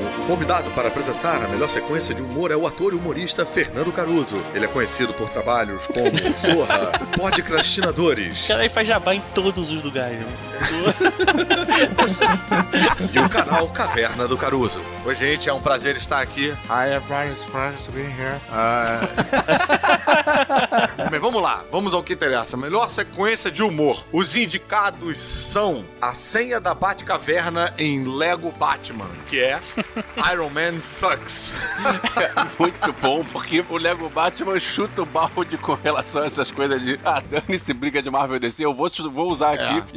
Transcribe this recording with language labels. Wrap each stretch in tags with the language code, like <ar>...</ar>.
<pt>Convidado para apresentar a melhor sequência de humor é o ator e humorista Fernando Caruso. Ele é conhecido por trabalhos como Zorra, Podcrastinadores. O cara aí faz jabá em todos os lugares. E o canal Caverna do Caruso. Oi, gente, é um prazer estar aqui.</pt> <en>I am very surprised to be here.</en> <pt>Bem, vamos lá, vamos ao que interessa. Melhor sequência de humor. Os indicados são a senha da Batcaverna em Lego Batman, que é Iron Man Sucks. Muito bom, porque o Lego Batman chuta o balde com relação a essas coisas de ah, dane-se, briga de Marvel DC, eu vou usar aqui. É.</pt>